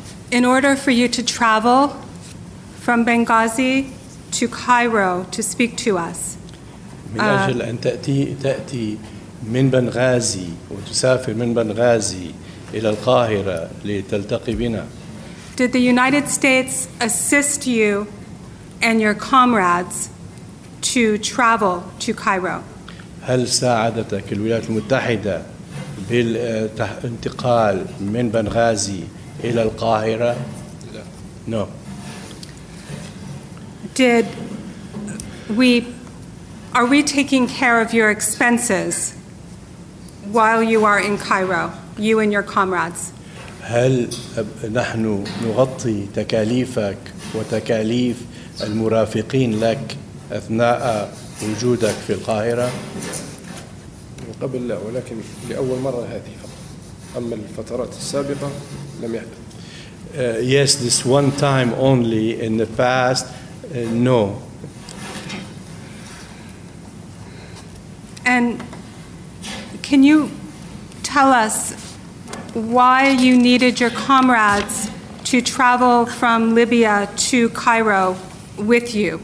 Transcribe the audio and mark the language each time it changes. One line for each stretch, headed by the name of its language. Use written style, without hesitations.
English: In order for you to travel from Benghazi to Cairo to speak to us,
Arabic: من أجل أن تأتي من بنغازي وتسافر من بنغازي إلى القاهرة لتلتقي بنا.
English: Did the United States assist you and your comrades to travel to Cairo?
Arabic: هل ساعدتك الولايات المتحدة بالانتقال من بنغازي إلى القاهرة؟ لا.
English: No. Are we taking care of your expenses while you are in Cairo, you and your comrades?
Arabic: هل نحن نغطي تكاليفك وتكاليف المرافقين لك أثناء وجودك في القاهرة؟ من قبل لا ولكن لأول مرة هذه فقط. أما الفترات السابقة لم يحدث.
English: Yes, this one time only in the past. No. And can you tell us why you needed your comrades to travel from Libya to Cairo with you?